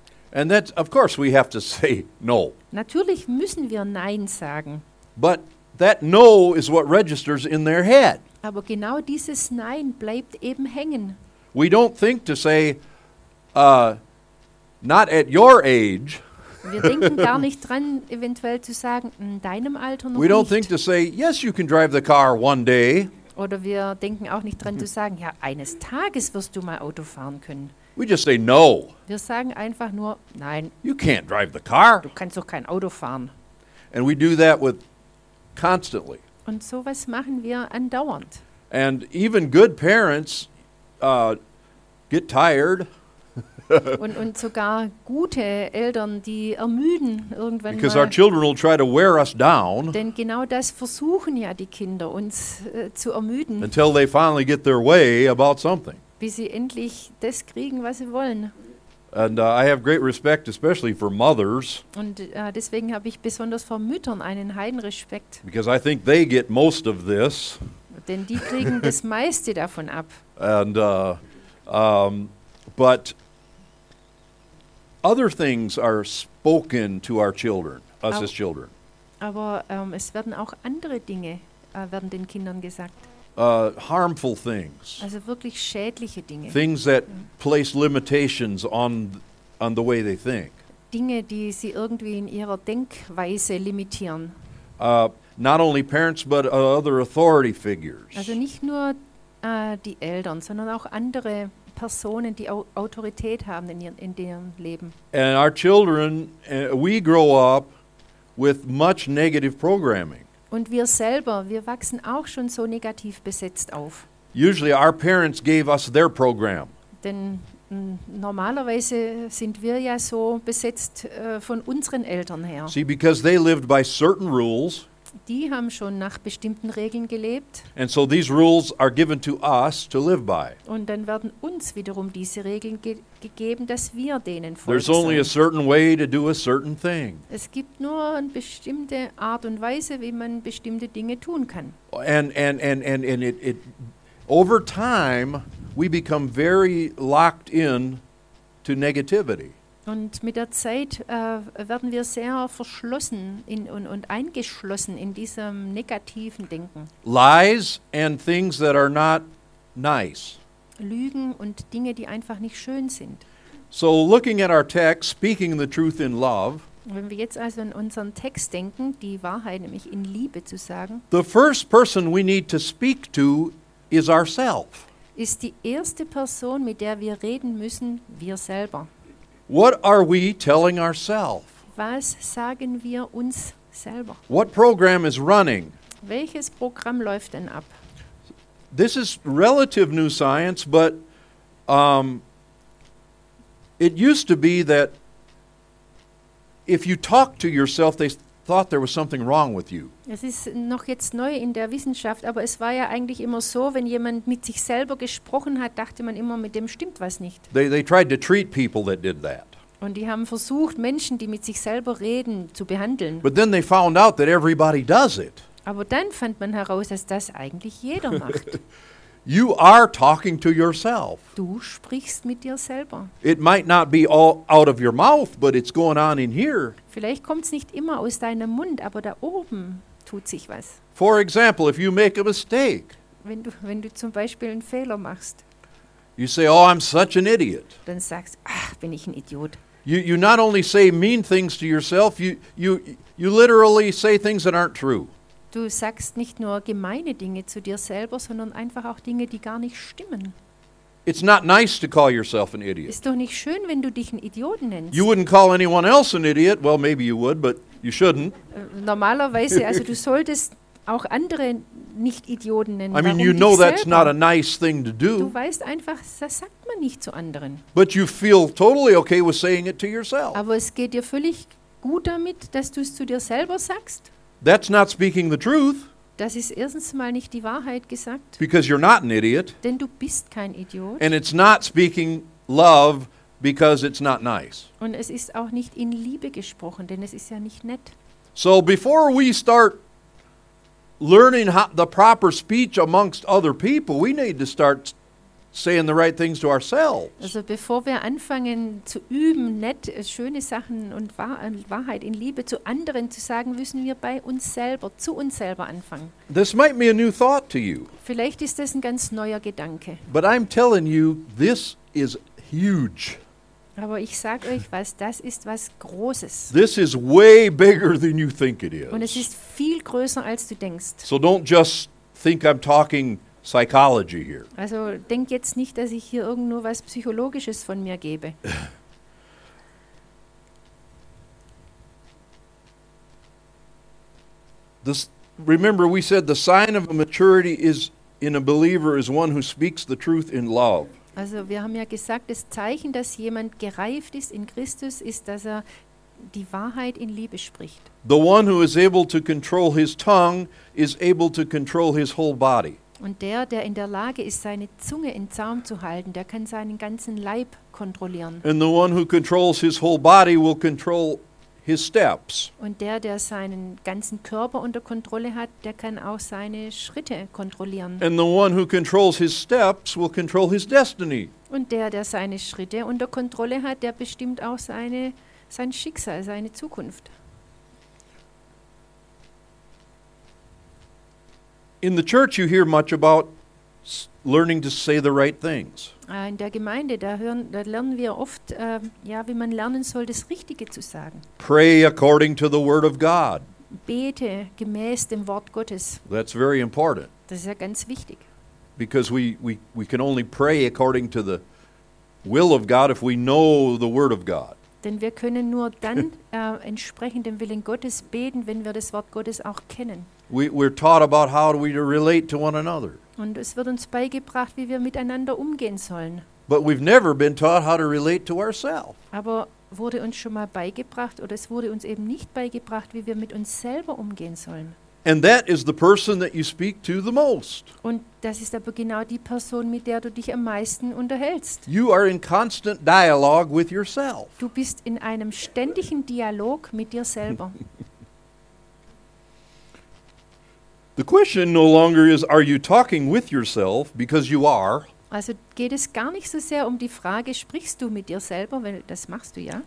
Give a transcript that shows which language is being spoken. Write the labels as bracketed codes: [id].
[en] And that, of course, we have to say no. [de] Natürlich müssen wir nein sagen. [en] But that no is what registers in their head. [de] Aber genau dieses Nein bleibt eben hängen. [en] We don't think to say, not at your age. [de] Wir denken gar nicht dran, eventuell zu sagen, in deinem Alter noch nicht. [en] We don't [de] nicht. [en] Think to say, yes, you can drive the car one day. [de] Oder wir denken auch nicht dran zu sagen, ja, eines Tages wirst du mal Auto fahren können. [en] We just say no. [de] Wir sagen einfach nur nein. [en] You can't drive the car. [de] Du kannst doch kein Auto fahren. [en] And we do that with constantly. [de] Und sowas machen wir andauernd. [en] And even good parents get tired. [de] Und sogar gute Eltern, die ermüden irgendwann [en] Because [de] mal. [en] Our children will try to wear us down. [de] Denn genau das versuchen ja die Kinder, uns zu ermüden. [en] Until they finally get their way about something. [de] Wie sie endlich das kriegen, was sie wollen. [en] And I have great respect, especially for mothers. [de] Und deswegen habe ich besonders vor Müttern einen heiden Respekt. [en] Because I think they get most of this. [de] Denn die kriegen das meiste davon ab. [en] And but other things are spoken to our children, us as children. [de] Aber es werden auch andere Dinge werden den Kindern gesagt. [en] Harmful things. [de] Also wirklich schädliche Dinge. [en] Things that place limitations on the way they think. [de] Dinge, die sie irgendwie in ihrer Denkweise limitieren. [en] Not only parents, but other authority figures. [de] Also nicht nur die Eltern, sondern auch andere Personen, die Autorität haben in ihrem Leben. [en] And our children, we grow up with much negative programming. [de] Und wir selber, wir wachsen auch schon so negativ besetzt auf. [en] Usually our parents gave us their program. [de] Denn normalerweise sind wir ja so besetzt von unseren Eltern her. [en] See, because they lived by certain rules. [de] Die haben schon nach bestimmten Regeln gelebt. [en] And so these rules are given to us to live by. [de] Und dann werden uns wiederum diese Regeln gegeben, dass wir denen folgen. [en] There's only a certain way to do a certain thing. [de] Es gibt nur eine bestimmte Art und Weise, wie man bestimmte Dinge tun kann. [en] And it over time we become very locked in to negativity. [de] Und mit der Zeit werden wir sehr verschlossen in, und eingeschlossen in diesem negativen Denken. [en] Lies and things that are not nice. [de] Lügen und Dinge, die einfach nicht schön sind. [en] So looking at our text, speaking the truth in love. [de] Wenn wir jetzt also in unseren Text denken, die Wahrheit nämlich in Liebe zu sagen. [en] The first person we need to speak to is ourself. [de] Ist die erste Person, mit der wir reden müssen, wir selber. [en] What are we telling ourselves? [de] Was sagen wir uns selber? [en] What program is running? [de] Welches Programm läuft denn ab? [en] This is relative new science, but it used to be that if you talked to yourself, they thought there was something wrong with you. [de] Es ist noch jetzt neu in der Wissenschaft, aber es war ja eigentlich immer so, wenn jemand mit sich selber gesprochen hat, dachte man immer, mit dem stimmt was nicht. [en] They tried to treat people that did that. [de] Und die haben versucht, Menschen, die mit sich selber reden, zu behandeln. [en] But then they found out that everybody does it. [de] Aber dann fand man heraus, dass das eigentlich jeder macht. [en] You are talking to yourself. [de] Du sprichst mit dir selber. [en] It might not be all out of your mouth, but it's going on in here. [de] Vielleicht kommt's nicht immer aus deinem Mund, aber da oben tut sich was. [en] For example, if you make a mistake. [de] Wenn du zum Beispiel einen Fehler machst. [en] You say, oh, I'm such an idiot. [de] Dann sagst, ach, bin ich ein Idiot. [en] You not only say mean things to yourself, you literally say things that aren't true. [de] Du sagst nicht nur gemeine Dinge zu dir selber, sondern einfach auch Dinge, die gar nicht stimmen. [en] It's not nice to call yourself an idiot. [de] Ist doch nicht schön, wenn du dich einen Idioten nennst. [en] You wouldn't call anyone else an idiot. Well, maybe you would, but you shouldn't. [de] Normalerweise, also du solltest auch andere nicht Idioten nennen. [en] I mean, [de] warum [en] you know [de] selber? [en] That's not a nice thing to do. [de] Du weißt einfach, das sagt man nicht zu anderen. [en] But you feel totally okay with saying it to yourself. [de] Aber es geht dir völlig gut damit, dass du es zu dir selber sagst. [en] That's not speaking the truth. [de] Das ist erstens mal nicht die Wahrheit gesagt. [en] Because you're not an idiot. [de] Denn du bist kein Idiot. [en] And it's not speaking love because it's not nice. [de] Und es ist auch nicht in Liebe gesprochen, denn es ist ja nicht nett. [en] So before we start learning how the proper speech amongst other people, we need to start saying the right things to ourselves. [de] Also bevor wir anfangen zu üben, nett schöne Sachen und Wahrheit in Liebe zu anderen zu sagen, müssen wir bei uns selber, zu uns selber anfangen. [en] This might be a new thought to you. [de] Vielleicht ist das ein ganz neuer Gedanke. [en] But I'm telling you, this is huge. [de] Aber ich sag euch was, das ist was Großes. [en] This is way bigger than you think it is. [de] Und es ist viel größer als du denkst. [en] So don't just think I'm talking psychology here. [de] Also denk jetzt nicht, dass ich hier irgendwo was Psychologisches von mir gebe. [en] This, remember we said the sign of a maturity is in a believer is one who speaks the truth in love. [de] Also wir haben ja gesagt, das Zeichen, dass jemand gereift ist in Christus, ist, dass er die Wahrheit in Liebe spricht. [en] The one who is able to control his tongue is able to control his whole body. [de] Und der, der in der Lage ist, seine Zunge in Zaum zu halten, der kann seinen ganzen Leib kontrollieren. [en] And the one who controls his whole body will control his steps. [de] Und der, der seinen ganzen Körper unter Kontrolle hat, der kann auch seine Schritte kontrollieren. [en] And the one who controls his steps will control his destiny. [de] Und der, der seine Schritte unter Kontrolle hat, der bestimmt auch sein Schicksal, seine Zukunft. [en] In the church you hear much about learning to say the right things. [de] In der Gemeinde da lernen wir oft wie man lernen soll das Richtige zu sagen. [en] Pray according to the word of God. [de] Bete gemäß dem Wort Gottes. [en] That's very important. [de] Das ist ja ganz wichtig. [en] Because we can only pray according to the will of God if we know the word of God. [de] Denn wir können nur dann entsprechend dem Willen Gottes beten, wenn wir das Wort Gottes auch kennen. [en] We're taught about how we relate to one another. [de] Und es wird uns beigebracht, wie wir miteinander umgehen sollen. [en] But we've never been taught how to relate to ourselves. [de] Aber wurde uns schon mal beigebracht, oder es wurde uns eben nicht beigebracht, wie wir mit uns selber umgehen sollen. [en] And that is the person that you speak to the most. [de] Und das ist aber genau die Person, mit der du dich am meisten unterhältst. [en] You are in constant dialogue with yourself. [de] Du bist in einem ständigen Dialog mit dir selber. [en] The question no longer is, are you talking with yourself, because you are. [de] Also geht es gar nicht so sehr um die Frage, sprichst du mit dir selber, weil das machst du ja.